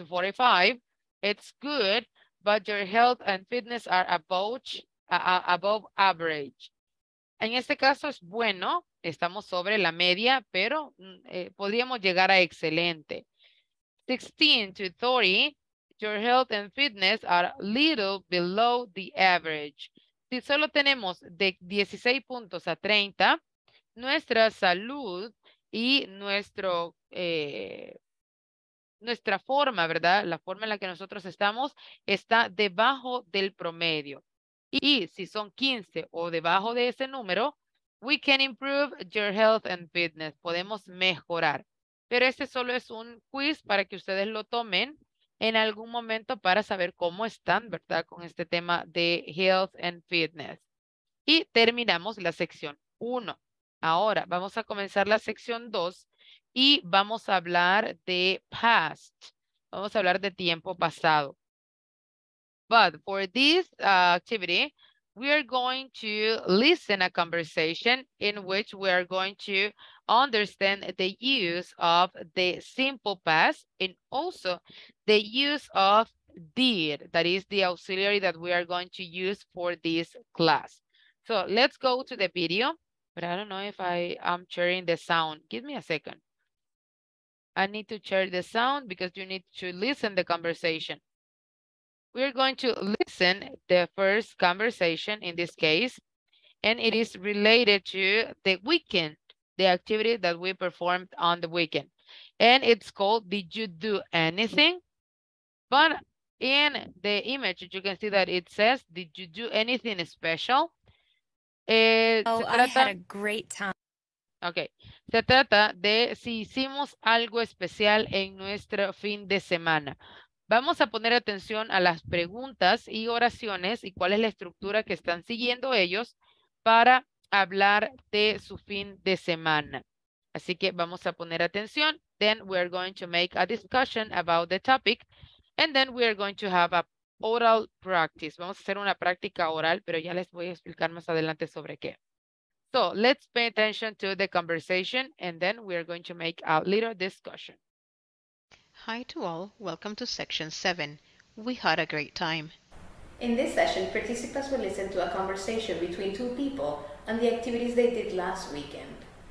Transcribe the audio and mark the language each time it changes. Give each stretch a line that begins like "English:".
English: 31 to 45, it's good, but your health and fitness are above average.
Spanish: En este caso es bueno, estamos sobre la media, pero podríamos llegar a excelente.
English: 16 to 30, your health and fitness are little below the average.
Spanish: Si solo tenemos de 16 puntos a 30, nuestra salud y nuestra forma, ¿verdad? La forma en la que nosotros estamos está debajo del promedio. Y si son 15 o debajo de ese número,
English: we can improve your health and fitness.
Spanish: Podemos mejorar. Pero este solo es un quiz para que ustedes lo tomen en algún momento para saber cómo están, ¿verdad? Con este tema de
English: health and fitness.
Spanish: Y terminamos la sección 1. Ahora vamos a comenzar la sección 2 y vamos a hablar de past. Vamos a hablar de tiempo pasado.
English: But for this activity, we are going to listen a conversation in which we are going to understand the use of the simple past and also the use of did, that is the auxiliary that we are going to use for this class. So let's go to the video, but I don't know if I am sharing the sound. Give me a second. I need to share the sound because you need to listen the conversation. We're going to listen the first conversation in this case, and it is related to the weekend, the activity that we performed on the weekend. And it's called, did you do anything? But in the image, you can see that it says, did you do anything special? I had a great time. Okay.
Spanish: Se trata de si hicimos algo especial en nuestro fin de semana. Vamos a poner atención a las preguntas y oraciones y cuál es la estructura que están siguiendo ellos para hablar de su fin de semana. Así que vamos a poner atención.
English: Then we are going to make a discussion about the topic and then we are going to have a oral practice.
Spanish: Vamos a hacer una práctica oral, pero ya les voy a explicar más adelante sobre qué.
English: So let's pay attention to the conversation and then we are going to make a little discussion. Hi to all, welcome to section 7. We had a great time. In this session, participants will listen to a conversation between two people and the activities they did last weekend.